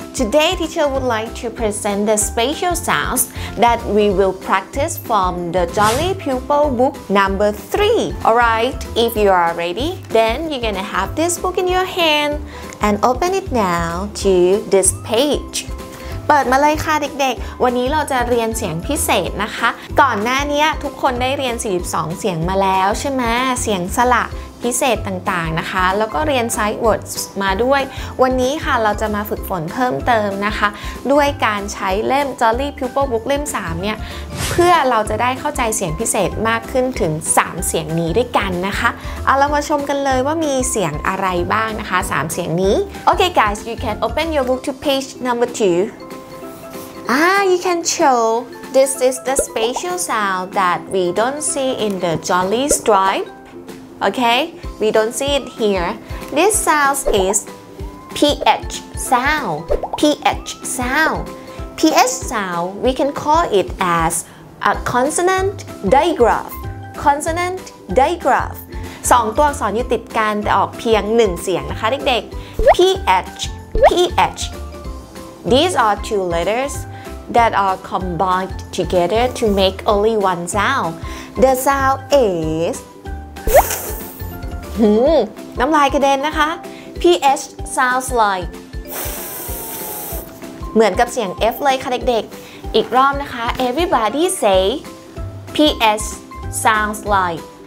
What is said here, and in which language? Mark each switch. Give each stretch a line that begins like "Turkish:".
English: Today, teacher would like to present the special sounds that we will practice from the Jolly Pupil book number 3. Alright, if you are ready, then you're gonna have this book in your hand and open it now to this page.
Thai: เปิดมาเลยค่ะเด็กๆวันนี้เราจะเรียนเสียงพิเศษนะคะก่อนหน้านี้ทุกคนได้เรียน42เสียงมาแล้วใช่ไหมเสียงสระพิเศษต่างๆนะคะแล้วก็เรียน sight words มาด้วยวันนี้ค่ะเราจะมาฝึกฝนเพิ่มเติมนะคะด้วยการใช้เล่ม Jolly Pupil Book เล่ม3เนี่ย เพื่อเราจะได้เข้าใจเสียงพิเศษมากขึ้นถึง3เสียงนี้ด้วยกันนะคะเอาเรามาชมกันเลยว่ามีเสียงอะไรบ้างนะคะ3เสียงนี้
English: Okay guys you can open your book to page number 2 you can show this is the special sound that we don't see in the Jolly Stripe. Okay, we don't see it here. This sound is PH sound. PH sound. PH sound, we can call it as a consonant digraph. Consonant digraph.
Thai: สองตัวอักษรอยู่ติดกันแต่ออกเพียงหนึ่งเสียงนะคะเด็กๆ PH, PH.
English: These are two letters that are combined together to make only one sound. The sound is...
Thai: น้ำลายกระเด็นนะคะ
English: PH sounds like
Thai: เหมือนกับเสียง F เลยค่ะเด็กๆอีกรอบนะคะ
English: Everybody say PH sounds like